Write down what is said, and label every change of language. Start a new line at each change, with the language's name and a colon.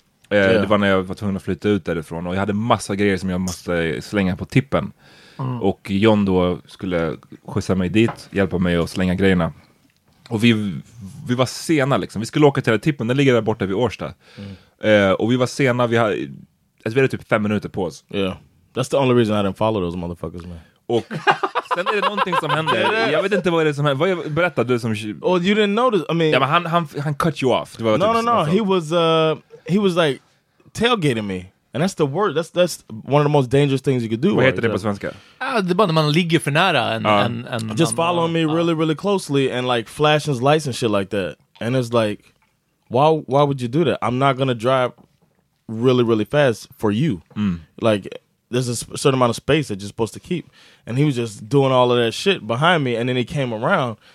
Swedish: Det var när jag var tvungen att flytta ut därifrån. Och jag hade massa grejer som jag måste slänga på tippen. Och John då skulle skjutsa mig dit, hjälpa mig att slänga grejerna. Och vi var sena liksom. Vi skulle åka till tippen, den ligger där borta vid Årsta. Och vi var sena, vi hade typ 5
English: minutes
Swedish: på oss.
English: Yeah, that's the only reason I didn't follow those motherfuckers, man.
Swedish: Och sen är det någonting som händer. Jag vet inte vad det är som händer. Berätta du som...
English: Oh, you didn't notice, I mean...
Swedish: Ja, men han
English: cut you off.
Swedish: Det var
English: no, typ no, no, he was like tailgating me. And that's the word. That's one of the most dangerous things you could do.
Swedish: Vad heter det på svenska? Det är bara när man ligger för nära.
English: And just following me really, really closely and like flashing his lights and shit like that. And it's like, why would you do that? I'm not going to drive really, really fast for you. Like, there's a certain amount of space that you're supposed to keep. And he was just doing all of that shit behind me. And then he came around.